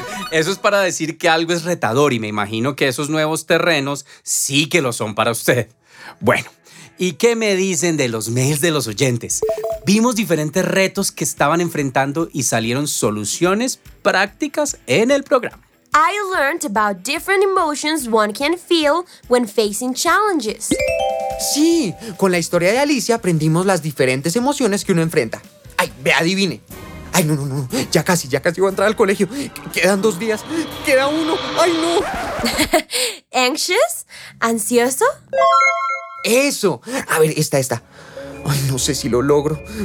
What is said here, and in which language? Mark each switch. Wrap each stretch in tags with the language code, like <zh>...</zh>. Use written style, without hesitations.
<es>Eso es para decir que algo es retador y me imagino que esos nuevos terrenos sí que lo son para usted. Bueno, ¿y qué me dicen de los mails de los oyentes? Vimos diferentes retos que estaban enfrentando y salieron soluciones prácticas en el programa.</es> <en>I learned about different emotions one can feel when facing challenges.</en> <es>Sí, con la historia de Alicia aprendimos las diferentes emociones que uno enfrenta. Ay, me adivine. Ay, no, no, no, ya casi voy a entrar al colegio. Quedan 2 días, queda uno. Ay, no.</es> <en>Anxious?</en> <es>¿Ansioso? Eso. A ver, esta. Ay, no sé si lo logro.</es>